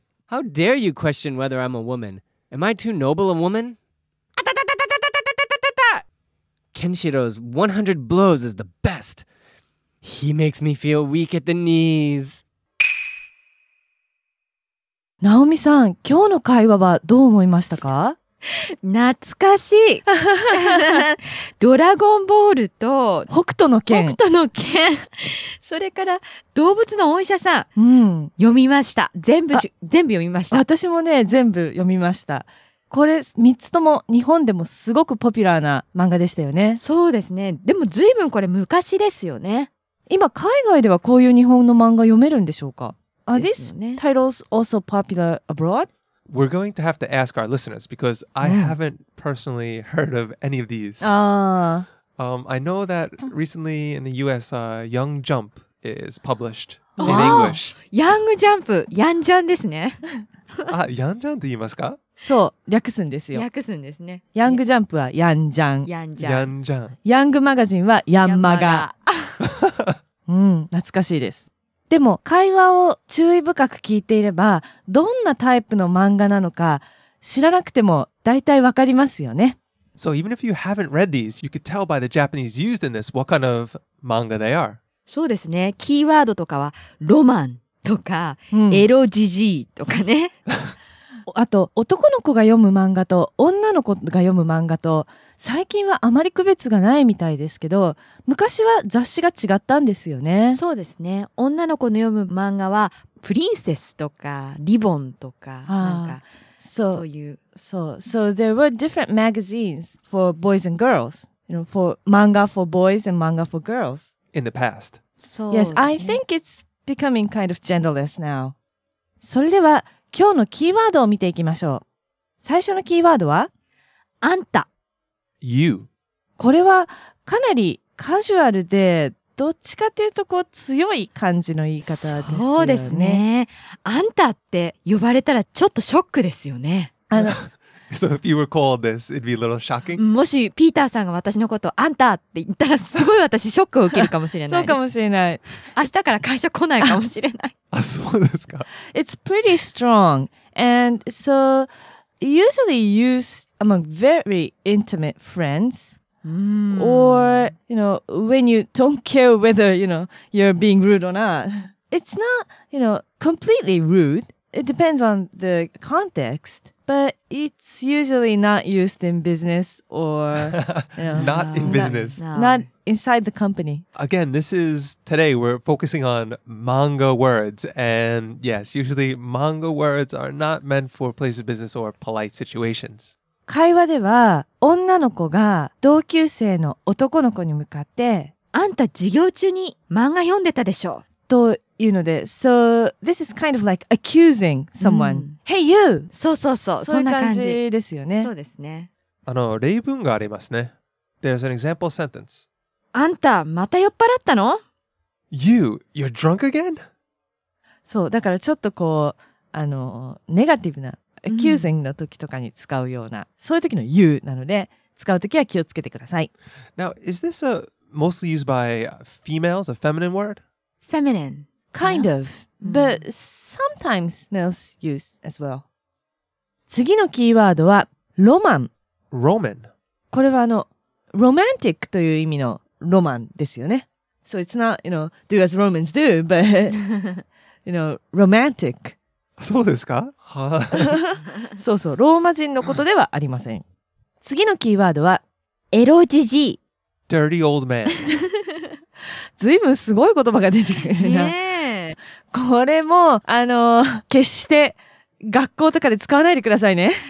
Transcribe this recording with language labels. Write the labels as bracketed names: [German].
[English] How dare you question whether I'm a woman? Am I too noble a woman? Kenshiro's 100 blows is the best. He makes me feel weak at the knees. [Japanese] ナオミさん、今日の会話はどう思いましたか？懐かしいドラゴンボールと北斗の拳、北斗の拳それから動物のお医者さん、うん、読みました。全部読みました。私もね、全部読みました。これ3つとも日本でもすごくポピュラーな漫画でしたよね。そうですね。でも随分これ昔ですよね。今海外ではこういう日本の漫画読めるんでしょうか？ [English] Are these titles also popular abroad? We're going to have to ask our listeners because I haven't personally heard of any of these. I know that recently in the US, Young Jump is published in English. [Japanese] Young Jump! ヤンジャンですね。あ、ヤンジャンって言いますか？そう、略すんですよ。略すんですね。ヤングジャンプはヤンジャン。ヤンジャン。ヤンジャン。ヤングマガジンはヤンマガ。うん、懐かしいです。でも会話を注意深く聞いていればどんなタイプの漫画なのか知らなくても大体わかりますよね。 [English] So even if you haven't read these, you could tell by the Japanese used in this what kind of manga they are. [Japanese] そうですね。キーワードとかはロマンとか、うん、エロジジイとかね。あと男の子が読む漫画と女の子が読む漫画と最近はあまり区別がないみたいですけど昔は雑誌が違ったんですよね。そうですね。女の子の読む漫画はプリンセスとかリボンとかなんかそういう。そう。 [English] So there were different magazines for boys and girls. You know, for manga for boys and manga for girls. In the past. So, yes, I think it's becoming kind of genderless now. [Japanese] それでは今日のキーワードを見ていきましょう。最初のキーワードはあんた。 [English] You. [Japanese] これはかなりカジュアルでどっちかというとこう強い感じの言い方ですよね。そうですね。あんたって呼ばれたらちょっとショックですよね。 [English] So if you were called this, it'd be a little shocking? [Japanese] もしピーターさんが私のことあんたって言ったらすごい私ショックを受けるかもしれないそうかもしれない。明日から会社来ないかもしれない。あ、そうですか。 [English] It's pretty strong and soUsually used among very intimate friends, or you know, when you don't care whether you know you're being rude or not. It's not you know completely rude. It depends on the context, but it's usually not used in business or you know, not in business, not inside the company. Again, this is today we're focusing on manga words. And yes, usually manga words are not meant for place of business or polite situations. [Japanese] 会話では女の子が同級生の男の子に向かってあんた授業中に漫画読んでたでしょというので [English] So this is kind of like accusing someone.、うん、hey you! [Japanese] そうそうそう、そんな感じですよね。そうですね。あの例文がありますね。 [English] There's an example sentence [Japanese] あんた、また酔っ払ったの？ [English] You, you're drunk again? [Japanese] そう、だからちょっとこう、ネガティブな、accusing の時とかに使うような、うん、そういう時の you なので、使う時は気をつけてください。 [English] Now, is this a mostly used by females, a feminine word? Feminine. Kind of,、うん、but sometimes males use as well. [Japanese] 次のキーワードは、ロマン。 [English] Roman. [Japanese] これはromantic という意味のロマンですよね。 [English] So it's not, you know, do as Romans do, but, you know, romantic. [Japanese] そうですか？はぁ。そうそう、ローマ人のことではありません。次のキーワードは、エロジジイ。 [English] Dirty old man. [Japanese] 随分すごい言葉が出てくるな。ねえ。これも、決して学校とかで使わないでくださいね。